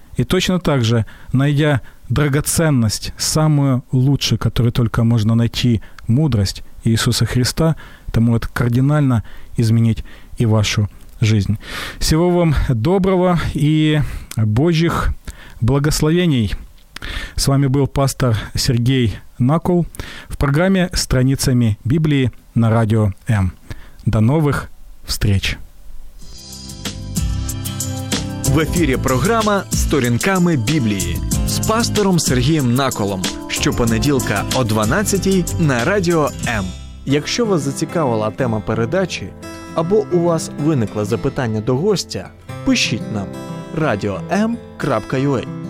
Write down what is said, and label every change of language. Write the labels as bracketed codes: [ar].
[ru] И точно так же, найдя драгоценность, самую лучшую, которую только можно найти, мудрость Иисуса Христа, это может кардинально изменить и вашу жизнь. Всего вам доброго и Божьих благословений. С вами был пастор Сергей Накул в программе «Страницами Библии» на Радио М. До новых встреч! [uk] В ефірі програма «Сторінками Біблії» з пастором Сергієм Наколом щопонеділка о 12:00 на Радіо М. Якщо вас зацікавила тема передачі або у вас виникло запитання до гостя, пишіть нам radio.m.ua.